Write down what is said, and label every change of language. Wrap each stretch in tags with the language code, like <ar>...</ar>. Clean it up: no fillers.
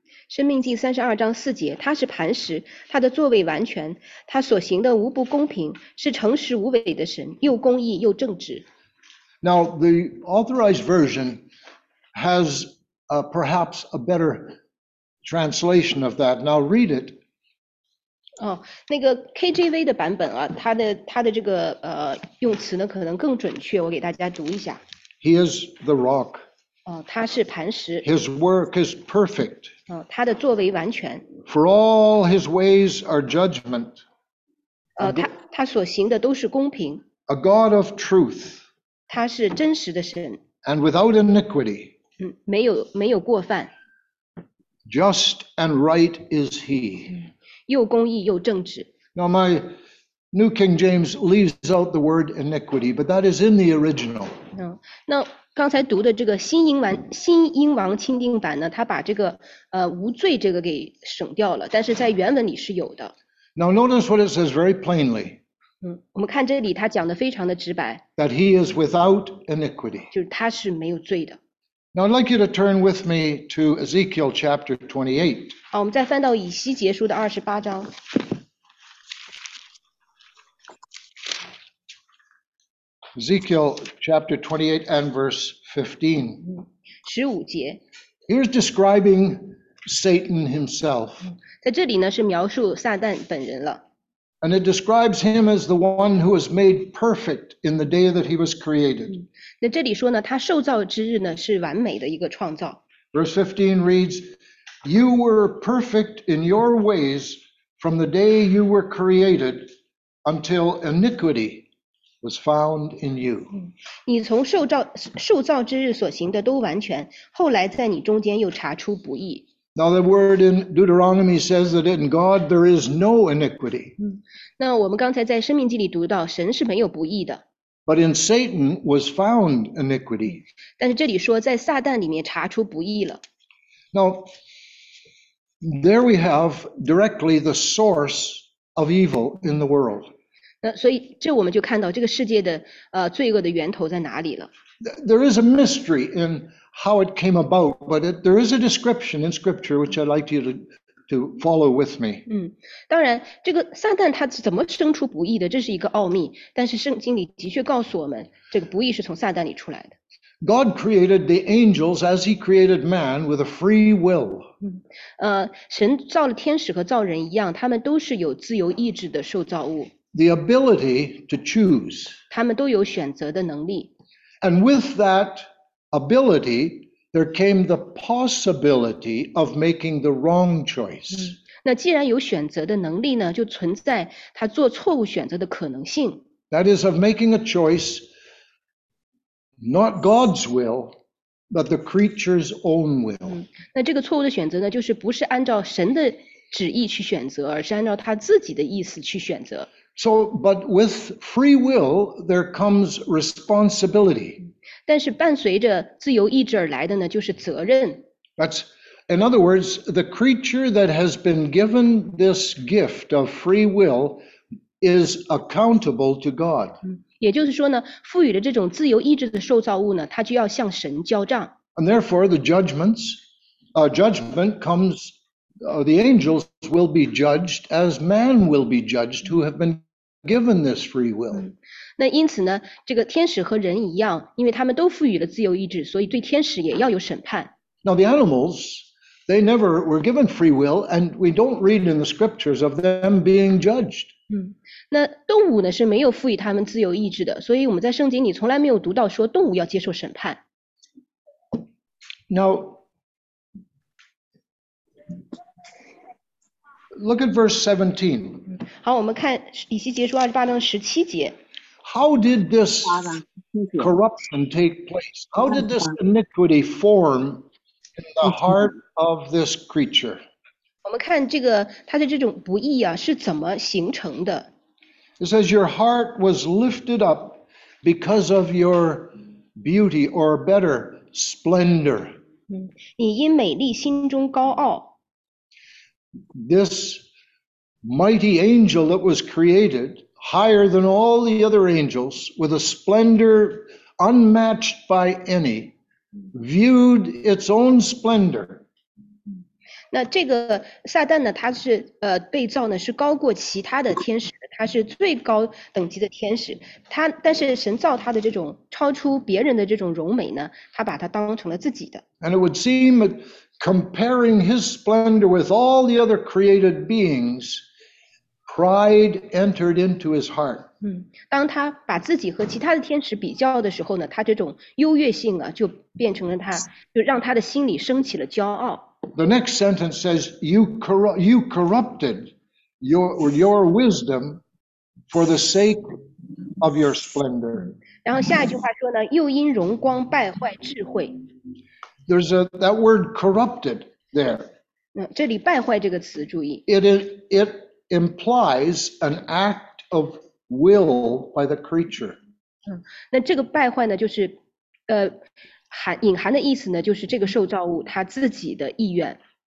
<zh>申命记三十二章四节，他是磐石，他的作为完全，他所行的无不公平，是诚实无伪的神，又公义又正直。</zh> <en>Now, the authorized version has perhaps a better translation of that. Now, read it.</en> <zh>哦，那个 KJV 的版本啊，它的这个用词呢，可能更准确。我给大家读一下。</zh> <en>He is the rock.</en> <zh>哦，他是磐石。</zh> <en>His work is perfect.</en> <zh>哦，他的作为完全。</zh> <en>For all his ways are judgment.</en> <zh>他所行的都是公平。</zh> <en>A God of truth.</en> <zh>他是真实的神。</zh> <en>And without iniquity.</en> <zh>没有过犯。</zh> <en>Just and right is he.</en> <zh>又公义又正直。</zh> <en>Now my New King James leaves out the word iniquity, but that is in the original.</en> <zh>那刚才读的这个新英王钦定版呢，他把这个无罪这个给省掉了，但是在原文里是有的。</zh> <en>Now notice what it says very plainly.</en> <zh>我们看这里他讲的非常的直白。</zh> <en>That he is without iniquity.</en> <zh>就是他是没有罪的。</zh> <en>Now I'd like you to turn with me to Ezekiel chapter 28.</en> <zh>好，我们再翻到以西结书的28章。</zh> <en>Ezekiel chapter 28 and verse 15.</en> <zh>15节。</zh> <en>Here's describing Satan himself.</en> <zh>在这里呢，是描述撒旦本人了。</zh> <en>And it describes him as the one who was made perfect in the day that he was created.</en> <zh>那这里说呢，他受造之日呢，是完美的一个创造。</zh> <en>Verse 15 reads, You were perfect in your ways from the day you were created until iniquity was found in you.</en> <zh>你从受造之日所行的都完全，后来在你中间又查出不义。</zh> <en>Now the word in Deuteronomy says that in God there is no iniquity.</en> <zh>那我们刚才在生命记里读到，神是没有不义的。</zh> <en>But in Satan was found iniquity.</en> <zh>但是这里说在撒旦里面查出不义了。</zh> <en>Now, there we have directly the source of evil in the world.</en> <zh>那所以这我们就看到这个世界的罪恶的源头在哪里了。</zh> <en>There is a mystery in how it came about, but there is a description in scripture which I'd like you to follow with me.</en> <zh>当然这个撒旦他怎么生出不义的，这是一个奥秘，但是圣经里的确告诉我们这个不义是从撒旦里出来的。</zh> <en>God created the angels as he created man with a free will.</en> <zh>神造了天使和造人一样，他们都是有自由意志的受造物。</zh> <en>The ability to choose.</en> <zh>他们都有选择的能力。</zh> <en>And with that ability,There came the possibility of making the wrong choice.</en> <zh>那既然有选择的能力呢，就存在他做错误选择的可能性。</zh> <en>That is of making a choice, not God's will, but the creature's own will.</en> <zh>那这个错误的选择呢，就是不是按照神的旨意去选择，而是按照他自己的意思去选择。</zh> <en>So, but with free will, there comes responsibility.</en> <zh>但是伴随着自由意志而来的呢，就是责任。</zh> <en>That's, in other words, the creature that has been given this gift of free will is accountable to God.</en> <zh>也就是说呢，赋予了这种自由意志的受造物呢，它就要向神交账。</zh> <en>And therefore, the judgment comes, the angels will be judged as man will be judged who have been given this free will.</en> <zh>那因此呢，这个天使和人一样，因为他们都赋予了自由意志，所以对天使也要有审判。</zh> <en>Now the animals, they never were given free will, and we don't read in the scriptures of them being judged.</en> <zh>那动物呢是没有赋予他们自由意志的，所以我们在圣经里从来没有读到说动物要接受审判。</zh> <en>Now, look at verse 17.</en> <zh>好，我们看以西结书二十八章十七节。</zh> <en>How did this corruption take place? How did this iniquity form in the heart of this creature?</en> <zh>我们看这个他的这种不义啊是怎么形成的。</zh> <en>It says your heart was lifted up because of your beauty, or better, splendor.</en> <zh>你因美丽心中高傲。</zh> <en>This. Mighty angel that was created, higher than all the other angels, with a splendor unmatched by any, viewed its own splendor.</en> <zh>那这个撒旦呢，他是被造呢，是高过其他的天使的，他是最高等级的天使，他但是神造他的这种超出别人的这种荣美呢，他把他当成了自己的。</zh> <en>And it would seem comparing his splendor with all the other created beings, pride entered into his heart.</en> <zh>当他把自己和其他的天使比较的时候呢，他这种优越性啊，就变成了他，就让他的心里升起了骄傲。</zh> <en>The next sentence says, you corrupted your wisdom for the sake of your splendor.</en> <zh>然后下一句话说呢，又因荣光败坏智慧。</zh> <en>There's that word corrupted there.</en> <zh>这里败坏这个词注意。</zh> <en>It implies an act of will by the creature.</en> <zh>那这个败坏呢，就是隐含的意思呢，就是这个受造物他自己的意愿。</zh>